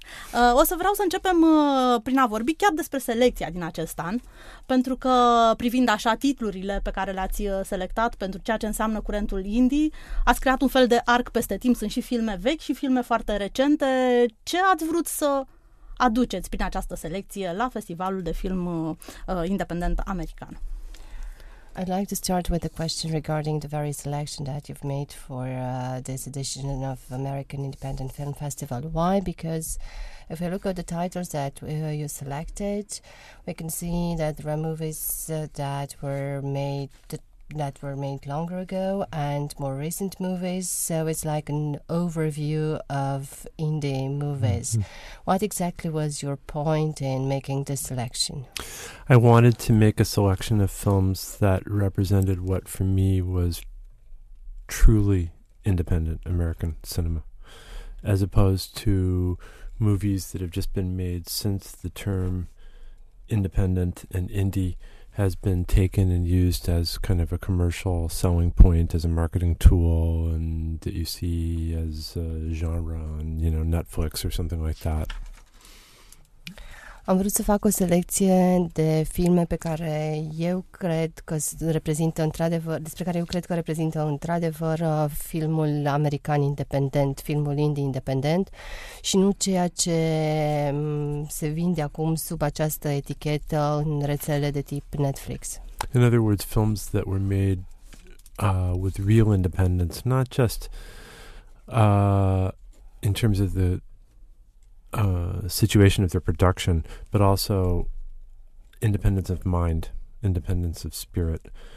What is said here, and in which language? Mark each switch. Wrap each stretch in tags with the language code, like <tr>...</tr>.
<ro>O să vreau să începem prin a vorbi chiar despre selecția din acest an, pentru că privind așa titlurile pe care le-ați selectat pentru ceea ce înseamnă curentul indie, ați creat un fel de arc peste timp, sunt și filme vechi și filme foarte recente. Ce ați vrut să aduceți prin această selecție la Festivalul de Film Independent American?</ro> <en>I'd like to start with a question regarding the very selection that you've made for this edition of American Independent Film Festival. Why? Because if we look at the titles that you selected, we can see that there are movies that were made longer ago and more recent movies. So it's like an overview of indie movies. Mm-hmm. What exactly was your point in making this selection? I wanted to make a selection of films that represented what for me was truly independent American cinema, as opposed to movies that have just been made since the term independent and indie has been taken and used as kind of a commercial selling point, as a marketing tool, and that you see as a genre on, you know, Netflix or something like that.</en> <ro>Am vrut să fac o selecție de filme pe care eu cred că reprezintă într-adevăr, despre care eu cred că reprezintă într-adevăr filmul american independent, filmul indie independent și nu ceea ce se vinde acum sub această etichetă în rețele de tip Netflix.</ro> <en>In other words, films that were made with real independence, not just in terms of the situation of their production, but also independence of mind, independence of spirit.</en>